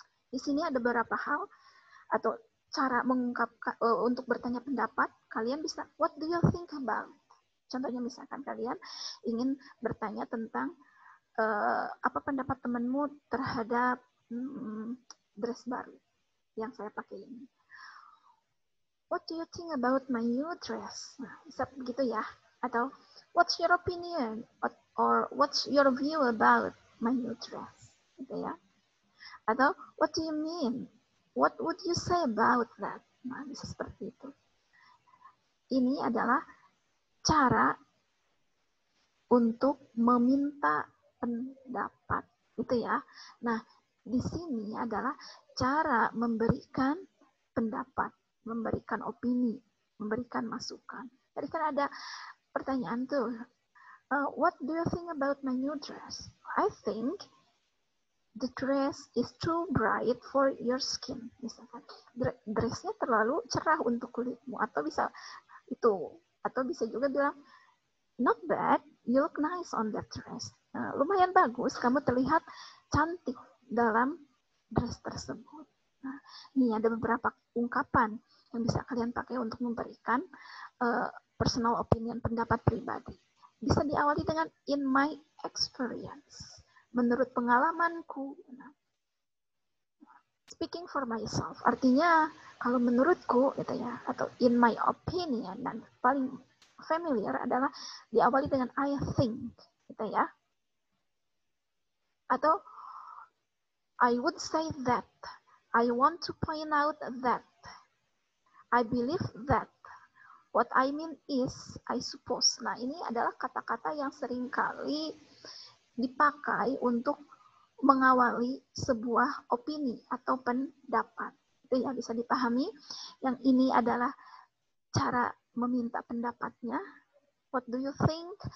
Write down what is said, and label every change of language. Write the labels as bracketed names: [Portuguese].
[Indonesian] Di sini ada beberapa hal atau cara mengungkapkan untuk bertanya pendapat. Kalian bisa, [English] what do you think about? [Indonesian] Contohnya misalkan kalian ingin bertanya tentang apa pendapat temanmu terhadap dress baru yang saya pakai ini. [English] What do you think about my new dress? [Indonesian] Nah, bisa begitu ya. Atau, [English] what's your opinion? Or what's your view about my new dress? [Indonesian] Gitu ya. Atau, [English] what do you mean? What would you say about that? [Indonesian] Nah, bisa seperti itu. Ini adalah cara untuk meminta pendapat. Gitu ya. Nah, di sini adalah cara memberikan pendapat, memberikan opini, memberikan masukan. Tadi kan ada pertanyaan tuh, [English] what do you think about my new dress? I think the dress is too bright for your skin. [Indonesian] Misalkan dressnya terlalu cerah untuk kulitmu, atau bisa itu, atau bisa juga bilang, [English] not bad, you look nice on that dress. [Indonesian] Lumayan bagus, kamu terlihat cantik dalam dress tersebut. Nah, ini ada beberapa ungkapan yang bisa kalian pakai untuk memberikan personal opinion, pendapat pribadi. Bisa diawali dengan [English] in my experience, [Indonesian] menurut pengalamanku. Nah, [English] speaking for myself, [Indonesian] artinya kalau menurutku, gitu ya, atau [English] in my opinion, [Indonesian] dan paling familiar adalah diawali dengan [English] I think, [Indonesian] gitu ya. Atau [English] I would say that, I want to point out that, I believe that. What I mean is, I suppose. [Indonesian] Nah, ini adalah kata-kata yang seringkali dipakai untuk mengawali sebuah opini atau pendapat. Itu ya, bisa dipahami. Yang ini adalah cara meminta pendapatnya. [English] What do you think?